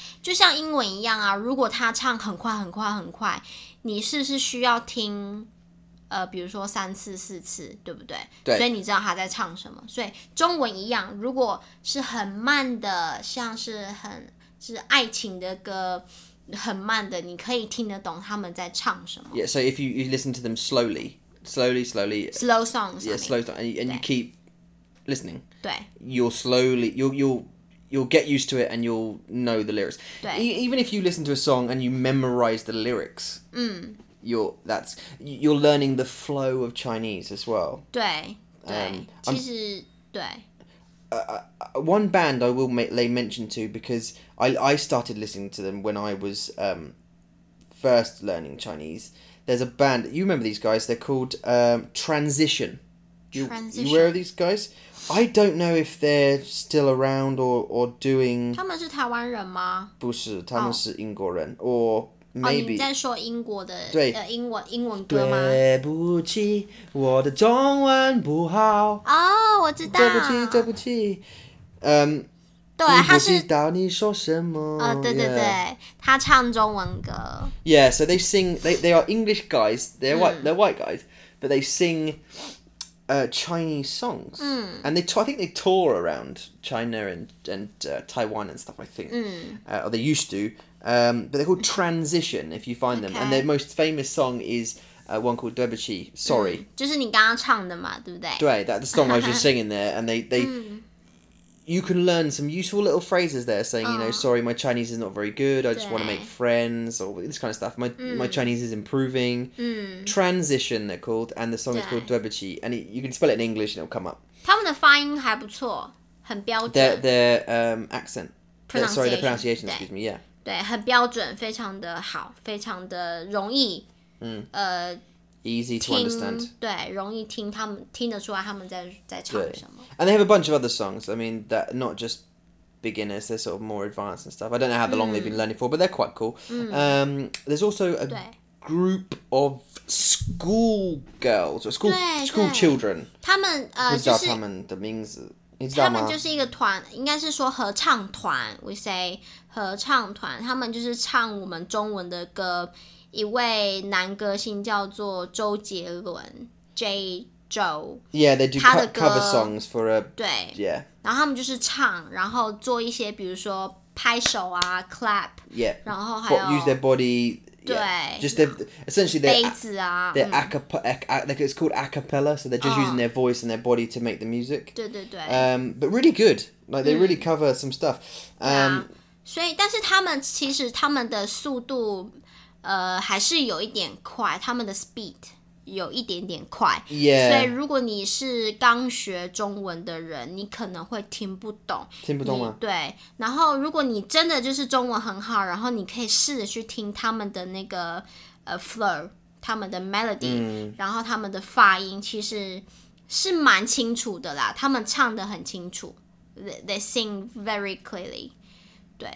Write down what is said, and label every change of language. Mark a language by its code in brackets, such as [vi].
[zh] 就像英文一样啊，如果他唱很快很快很快，你是不是需要听比如说三次四次，对不对？对，所以你知道他在唱什么。所以中文一样，如果是很慢的，像是很是爱情的歌，很慢的，你可以听得懂他们在唱什么。 [en] Yeah, so if you listen to them slowly, slow songs. Yeah, slow songs, and you keep listening. [zh] 对。 [en] You'll slowly, you'll get used to it, and you'll know the lyrics. [zh] 对。 [en] Even if you listen to a song and you memorize the lyrics, you're learning the flow of Chinese as well. [zh] 对。其实对。 [en] One band I will lay mention to, because I started listening to them when I was first learning Chinese. There's a band, you remember these guys, they're called Transition. Transition. You aware of these guys? I don't know if they're still around or doing... [zh] 他们是台湾人吗? 不是,他们是英国人。 [en] Or maybe... [zh] 你在说英国的,对,英文歌吗? 对不起,我的中文不好。哦,我知道。对不起,对不起。对，他是知道你说什么。他唱中文歌。 [en] Yeah, so they sing. They are English guys. They're white. They're white guys, but they sing Chinese songs. And I think they tour around China and Taiwan and stuff. I think. Or they used to. But they're called Transition. If you find them, and their most famous song is one called 对不起, Sorry. [zh] 就是你刚刚唱的嘛，对不对？ [en] 对 ，that the song I was just singing there, and they. You can learn some useful little phrases there, saying, you know, sorry, my Chinese is not very good, I just want to make friends, or this kind of stuff. My Chinese is improving. Transition, they're called, and the song is called 对不起, and you can spell it in English and it'll come up. [zh] 他们的发音还不错，很标准。 [en] Their accent. Pronunciation. Sorry, their pronunciation, excuse me, yeah. [zh] 对，很标准，非常的好，非常的容易。 [en] Easy to understand. [zh] 对，容易听他们听得出来他们在唱什么。 [en] And they have a bunch of other songs. I mean, that not just beginners. They're sort of more advanced and stuff. I don't know how long they've been learning for, but they're quite cool. There's also a group of school girls or school children. [zh] 他们不知道他们的名字。他们就是一个团，应该是说合唱团。 [en] We say [zh] 合唱团，他们就是唱我们中文的歌。一位男歌星叫做周杰伦 ，J. [en] Joe。 Yeah, they do cover songs for a [zh] 对 [en] ，Yeah。 [zh] 然后他们就是唱，然后做一些，比如说拍手啊 ，clap。 [en] Yeah。 [zh] 然后还有 [en] use their body。 [zh] 对。 [en] Just essentially their [zh] 杯子啊 [en] ，their like it's called a cappella, so they're just using their voice and their body to make the music. [zh] 对对对。 [en] But really good, like they really cover some stuff. [zh] 所以，但是他们其实他们的速度。还是有一点快，他们的 speed 有一点点快， [en] yeah. [zh] 所以如果你是刚学中文的人，你可能会听不懂，听不懂吗？对，然后如果你真的就是中文很好，然后你可以试着去听他们的那个flow， 他们的 melody，然后他们的发音其实是蛮清楚的啦，他们唱得很清楚 ， [en] they sing very clearly， [zh] 对，